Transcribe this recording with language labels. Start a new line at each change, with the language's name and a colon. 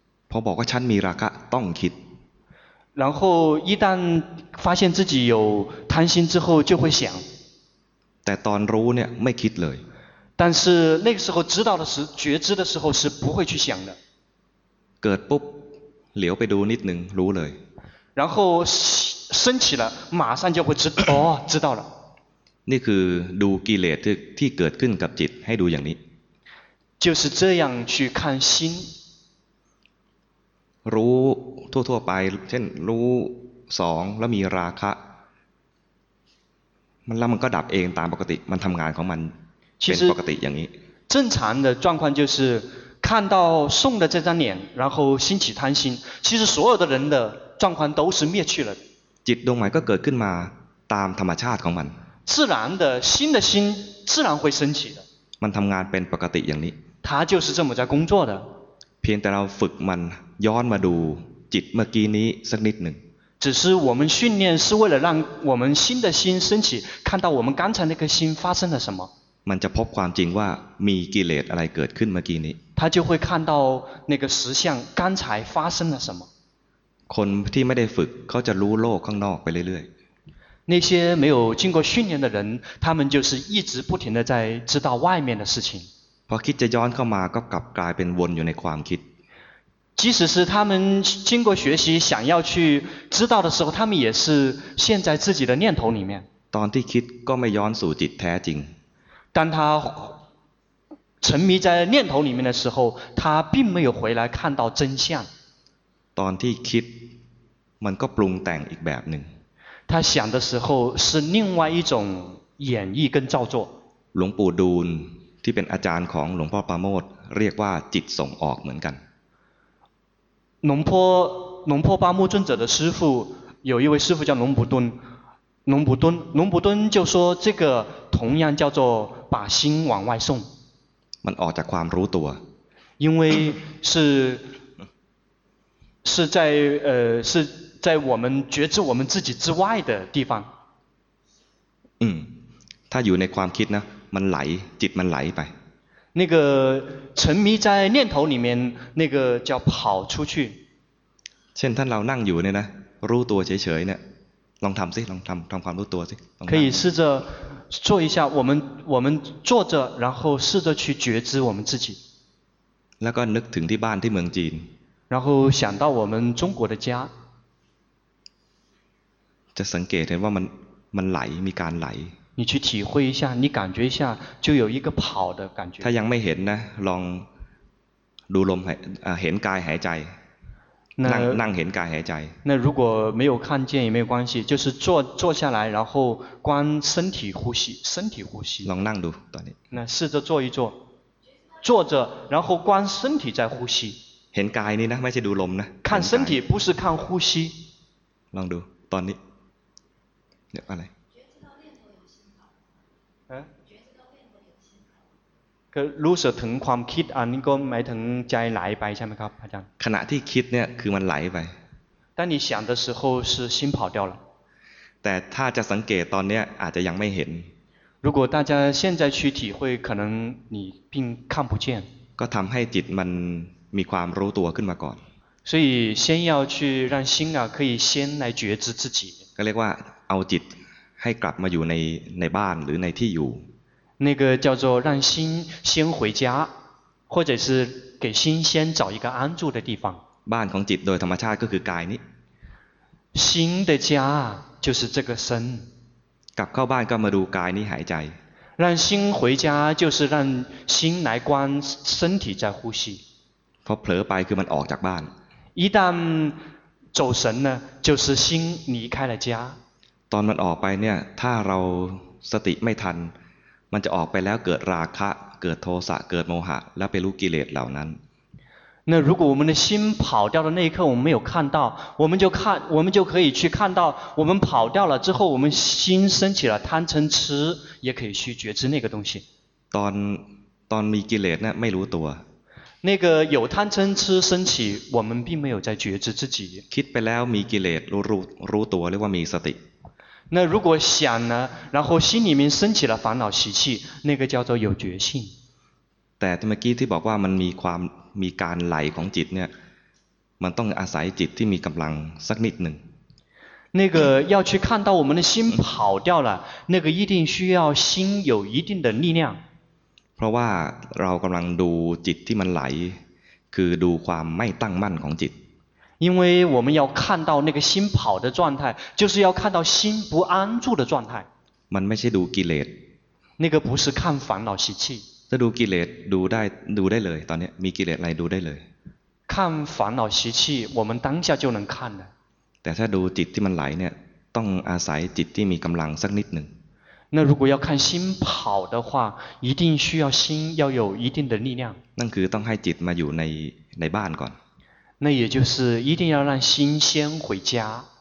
Thai: พอบอกว่าฉันมีราคะต้องคิด
Chinese: 然后一旦发现自己有贪心之后就会想
Thai: แต่ตอนรู้เนี่ยไม่คิดเลย
Chinese: 但是那个时候知道的时觉知的时候是不会去想的
Thai: เกิดปุ๊บเหลียวไปดูนิดนึงรู้เลย
Chinese: 然后升起了马上就会知道哦知道了
Thai: นี่คือดูกิเลสที่เกิดขึ้นกับจิตให้ดูอย่างนี้
Chinese: 就是这样去看心
Thai: รู้ทั่วๆไปเช่นรู้สองแล้วมีราคะมันแล้วมันก็ดับเองตามปกติมันทำงานของมันเป็นปกติอย่างนี้
Chinese: 正常的状况就是看到送的这张脸然后兴起贪心其实所有的人的状况都是灭去了
Thai: จิตดวงใหม่ก็เกิดขึ้นมาตามธรรมชาติของมัน
Chinese: 自然的新的心自然会升起的
Thai: มันทำงานเป็นปกติอย่างนี้
Chinese: 它就是这么在工作的
Thai: เพียงแต่เราฝึกมันย้อนมาดูจิตเมื่อกี้นี้สักนิดหนึ่ง
Chinese: 只是我们训练是为了让我们新的心升起看到我们刚才那颗心发生了什么
Thai: มันจะพบความจริงว่ามีกิเลสอะไรเกิดขึ้นเมื่อกี้นี้
Chinese: 它就会看到那个实相刚才发生了什么
Thai: คนที่ไม่ได้ฝึกเขาจะรู้โลกข้างนอกไปเรื่อย
Chinese: ๆ那些没有经过训练的人他们就是一直不停的在知道外面的事情
Thai: พอคิดจะย้อนเข้ามาก็กลับกลายเป็นวนอยู่ในความคิด
Chinese: 即使是他们经过学习想要去知道的时候他们也是陷在自己的念头里面
Thai: ตอนที่คิดก็ไม่ย้อนสู่จิตแท้จริง
Chinese: 当他沉迷在念头里面的时候他并没有回来看到真相
Thai: ตอนที่คิดมันก็ปรุงแต่งอีกแบบหนึ่ง
Chinese: 他想的时候是另外一种演绎跟造作
Thai: หลวงปู่ดูลที่เป็นอาจารย์ของหลวงพ่อปราโมทเรียกว่าจิตส่งออกเหมือนกัน
Chinese: 龙婆巴木尊者的师父有一位师父叫龙普敦龙普敦就说这个同样叫做把心往外送
Thai: มันออกจากความรู้ตัว
Chinese: 因为是在我们觉知我们自己之外的地方
Thai: ถ้าอยู่ในความคิดนะมันไหลจิตมันไหลไป
Chinese: 那个沉迷在念头里面那个叫跑出去
Thai: เช่นท่านเรานั่งอยู่เนี่ยนะรู้ตัวเฉยๆเนี่ยลองทำสิลองทำความรู้ตัวสิ
Chinese: 可以试着做一下我们坐着然后试着去觉知我们自己
Thai: แล้วก็นึกถึงที่บ้านที่เมืองจีน
Chinese: 然后想到我们中国的家
Thai: จะสังเกตเห็นว่ามันไหลมีการไหล
Chinese: 你去体会一下你感觉一下就有一个跑的感觉
Thai: ถ้ายังไม่เห็นนะลองดูลมเห็นกายหายใจ
Chinese: 那让
Thai: เห็นการหายใจ
Chinese: 那如果没有看见也没有关系就是坐下来然后观身体呼吸
Thai: ลองนั่งดูตอนนี้
Chinese: 那试着坐一坐坐着然后观身体在呼吸
Thai: เห็นกายนี่นะไม่ใช่ดูลมนะ
Chinese: 看身体不是看呼吸
Thai: ลองดูตอนนี้เดี๋ยวอะไร ก็รู้สึกถึงความคิดอันนี้ก็หมายถึงใจไหลไปใช่ไหมครับอาจารย์ขณะที่คิดเนี่ยคือมันไหลไป
Chinese: 当你想的时候是心跑掉了
Thai: แต่ถ้าจะสังเกตตอนนี้อาจจะยังไม่เห็น
Chinese: 如果大家现在去体会可能你并看不见
Thai: ก็ทำให้จิตมันมีความรู้ตัวขึ้นมาก่อน
Chinese: 所以先要去让心啊可以先来觉知自己
Thai: ก็เรียกว่าเอาจิตให้กลับมาอยู่ในบ้านหรือในที่อยู่
Chinese: 那个叫做让心先回家或者是给心先找一个安住的地方
Thai: บ้านของจิตโดยธรรมชาติก็คือกายนี้
Chinese: 心的家就是这个身
Thai: กลับเข้าบ้านก็มาดูกายนี้หายใจ
Chinese: 让心回家就是让心来观身体在呼吸
Thai: พอเผลอไปคือมันออกจากบ้าน
Chinese: 一旦走神呢就是心离开了家
Thai: ตอนมันออกไปเนี่ยถ้าเราสติไม่ทันมันจะออกไปแล้วเกิดราคะเกิดโทสะเกิดโมหะแล้วไปรู้กิเลสเหล่านั้น
Chinese: 那如果我们的心跑掉的那一刻我们没有看到我们就可以去看到我们跑掉了之后我们心升起了贪嗔痴也可以去觉知那个东西
Thai: ตอนมีกิเลสเนี่ยไม่รู้ตัว
Chinese: 那个有贪嗔痴升起我们并没有在觉知自己
Thai: คิดไปแล้วมีกิเลสรู้ตัวเรียกว่ามีสติ
Chinese: 那如果想呢然后心里面升起了烦恼习气那个叫做有觉性
Thai: แต่เมื่อกี้ที่บอกว่ามันมีความมีการไหลของจิตเนี่ยมันต้องอาศัยจิตที่มีกำลังสักนิดหนึ่ง
Chinese: 那个要去看到我们的心跑掉了那个一定需要心有一定的力量
Thai: เพราะว่าเรากำลังดูจิตที่มันไหลคือดูความไม่ตั้งมั่นของจิต
Chinese: 因为我们要看到那个心跑的状态就是要看到心不安住的状态
Thai: มันไม่ใช่ดูกิเลส
Chinese: 那个不是看烦恼习气
Thai: ถ้าดูกิเลสดูได้เลยตอนนี้มีกิเลสอะไรดูได้เลย
Chinese: 看烦恼习气我们当下就能看的
Thai: แต่ถ้าดูจิตที่มันไหลเนี่ยต้องอาศัยจิตที่มีกำลังสักนิดหนึ่ง
Chinese: 那如果要看心跑的话一定需要心要有一定的力量
Thai: นั่นคือต้องให้จิตมาอยู่ในบ้านก่อน
Chinese: 那也就是一定要让心先回家